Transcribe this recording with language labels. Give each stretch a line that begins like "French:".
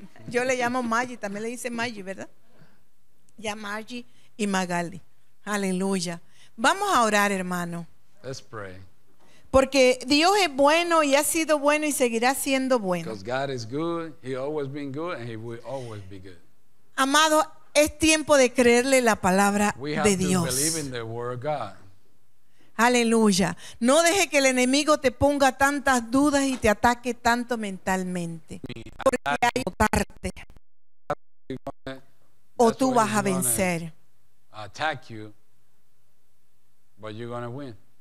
Spanish: Yo le llamo Maggi, también le dice Maggi, ¿verdad? Ya Maggi y Magali. Aleluya. Vamos a orar, hermano.
English: Let's pray.
Spanish: Porque Dios es bueno y ha sido bueno y seguirá siendo bueno.
English: Because God is good, he always been good and he will always be good.
Spanish: Amado, es tiempo de creerle la palabra de Dios.
English: We have to believe in the word of God.
Spanish: Aleluya. No deje que el enemigo te ponga tantas dudas y te ataque tanto mentalmente. Porque hay que atacarte. O tú vas a vencer.
English: Attack you, but you're going to win.